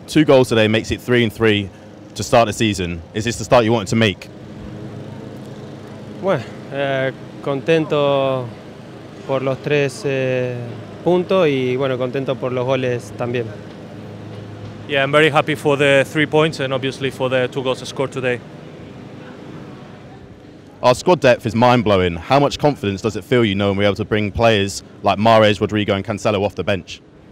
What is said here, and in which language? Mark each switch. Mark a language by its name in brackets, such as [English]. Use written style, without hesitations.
[English] Two goals today makes it 3-3 to start the season. Is this the start you wanted to make? [Spanish] Bueno, contento por los tres puntos y bueno, contento por los goles también. [English] Yeah, I'm very happy for the 3 points and obviously for the two goals scored today. Our squad depth is mind-blowing. How much confidence does it feel you know when we're able to bring players like Mahrez, Rodrigo and Cancelo off the bench?